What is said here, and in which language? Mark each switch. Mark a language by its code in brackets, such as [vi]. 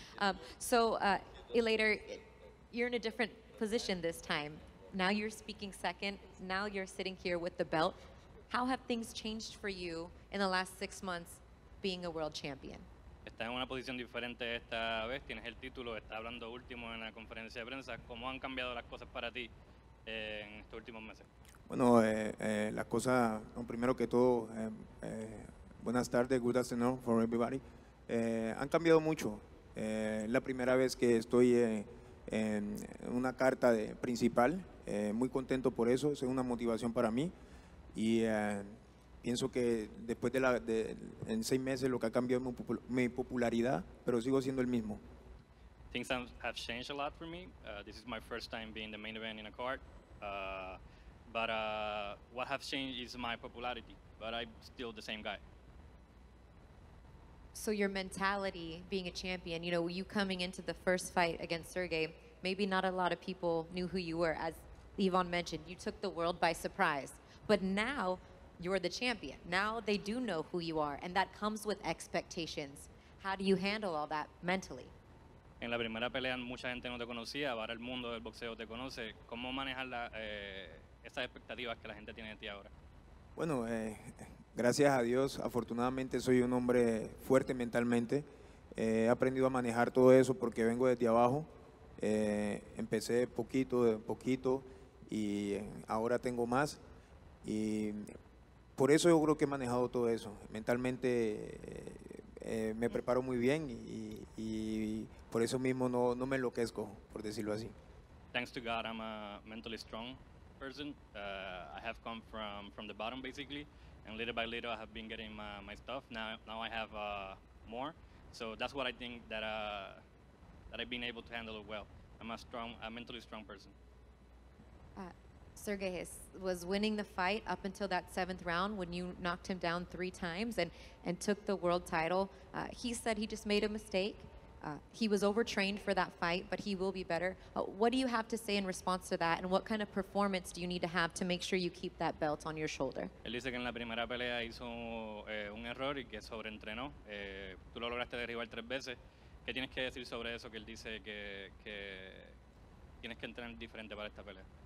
[en] Eleider, you're in a different position this time. Now you're speaking second. Now you're sitting here with the belt. How have things changed for you in the last 6 months being a world champion? [es] Estás en una posición diferente esta vez. Tienes el título. Estás hablando último en la conferencia de prensa. ¿Cómo han cambiado las cosas para ti en estos últimos meses? Bueno, las cosas, primero que todo, buenas tardes, [en] good afternoon for everybody. [es] Han cambiado mucho. La primera vez que estoy en una carta de principal, muy contento por eso, es una motivación para mí. Y pienso que después de en 6 meses lo que ha cambiado es mi popularidad, pero sigo siendo el mismo. [en] Things have changed a lot for me. This is my first time being the main event in a card. But what has changed is my popularity, but I'm still the same guy. So your mentality, being a champion, you know, you coming into the first fight against Sergey, maybe not a lot of people knew who you were. As Yvonne mentioned, you took the world by surprise. But now you're the champion. Now they do know who you are, and that comes with expectations. How do you handle all that mentally? [es] En la primera pelea mucha gente no te conocía, ahora el mundo del boxeo te conoce. ¿Cómo manejar esas expectativas que la gente tiene de ti ahora? Bueno, gracias a Dios, afortunadamente soy un hombre fuerte mentalmente. He aprendido a manejar todo eso porque vengo desde abajo. Empecé poquito de poquito y ahora tengo más. Y por eso yo creo que he manejado todo eso. Mentalmente me preparo muy bien y por eso mismo no me enloquezco, por decirlo así. [en] Thanks to God, I'm a mentally strong person. I have come from the bottom, basically. And little by little, I have been getting my stuff. Now I have more. So that's what I think that I've been able to handle it well. I'm a mentally strong person. Sergey was winning the fight up until that 7th round when you knocked him down 3 times and took the world title. He said he just made a mistake. He was overtrained for that fight, but he will be better. What do you have to say in response to that, and what kind of performance do you need to have to make sure you keep that belt on your shoulder? [es] Él dice que en la primera pelea hizo un error y que sobreentrenó. Tú lo lograste derribar 3 veces. ¿Qué tienes que decir sobre eso que él dice que tienes que entrenar diferente para esta pelea?